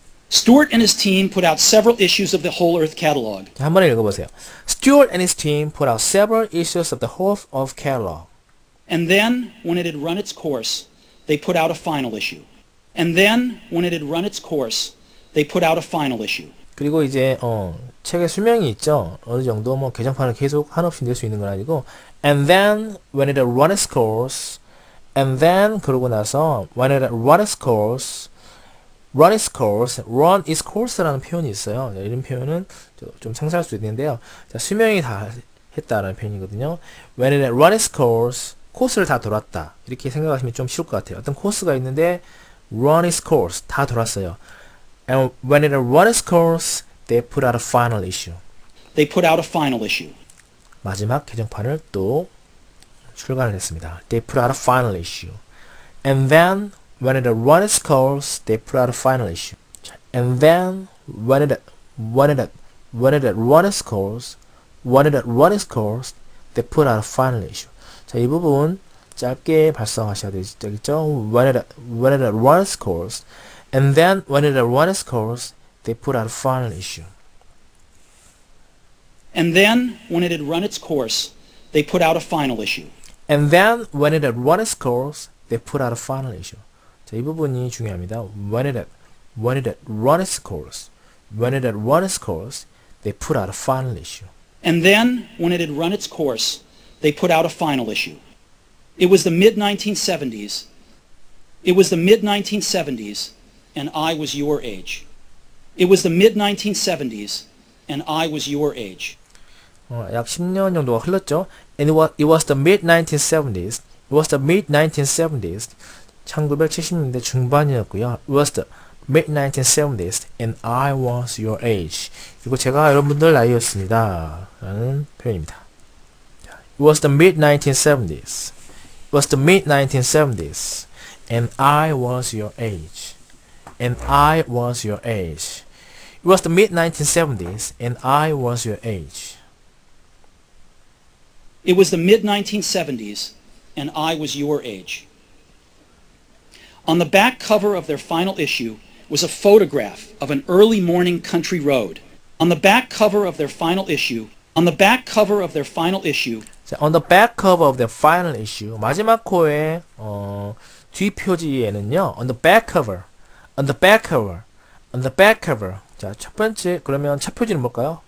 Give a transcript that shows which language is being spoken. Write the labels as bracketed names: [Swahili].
[English] Stuart and his team put out several issues of the Whole Earth Catalog. [Korean] 한 번에 읽어보세요. [English] Stuart and his team put out several issues of the Whole Earth Catalog. And then, when it had run its course, they put out a final issue. And then, when it had run its course, they put out a final issue. [Korean] 그리고 이제 책의 수명이 있죠. 어느 정도 뭐 개정판을 계속 한없이 낼 수 있는 건 아니고. [English] And then, when it had run its course, and then [Korean] 그러고 나서 [English] when it had run its course. Run its course, run its course라는 [Korean] 표현이 있어요. 이런 표현은 좀 상세할 수 있는데요. 자, 수명이 다 했다라는 표현이거든요. [English] When it run its course, [Korean] 코스를 다 돌았다. 이렇게 생각하시면 좀 쉬울 것 같아요. 어떤 코스가 있는데 [English] run its course, [Korean] 다 돌았어요. [English] And when it run its course, they put out a final issue. They put out a final issue. [Korean] 마지막 개정판을 또 출간을 했습니다. [English] They put out a final issue. And then when it run its course, they put out a final issue. And then when it run its course, when it run its course, they put out a final issue. [Korean] 자, 이 부분 짧게 발성하셔야 되겠죠? [English] When it run its course, and then when it run its course, they put out a final issue. And then, when it had run its course, they put out a final issue. And then, when it had run its course, they put out a final issue. [Korean] 자, 이 부분이 중요합니다. [English] When it had run its course, when it had run its course, they put out a final issue. And then, when it had run its course, they put out a final issue. It was the mid-1970s. It was the mid-1970s, and I was your age. It was the mid-1970s, and I was your age. [Korean] 약 10년 정도가 흘렀죠. [English] And it was the mid-1970s. It was the mid-1970s. [Korean] 1970년대 중반이었고요. [English] It was the mid-1970s, and I was your age. [Korean] 이거 제가 여러분들 나이였습니다. 라는 표현입니다. [English] It was the mid-1970s. It was the mid-1970s, and I was your age. And I was your age. It was the mid-1970s, and I was your age. It was the mid-1970s, and I was your age. On the back cover of their final issue was a photograph of an early morning country road. On the back cover of their final issue, on the back cover of their final issue, on the back cover of their final issue, [Korean] 마지막 코에 뒷표지에는요, [English] on the back cover, on the back cover, on the back cover. [Korean] 자, 첫 번째, 그러면 첫 표지는 뭘까요?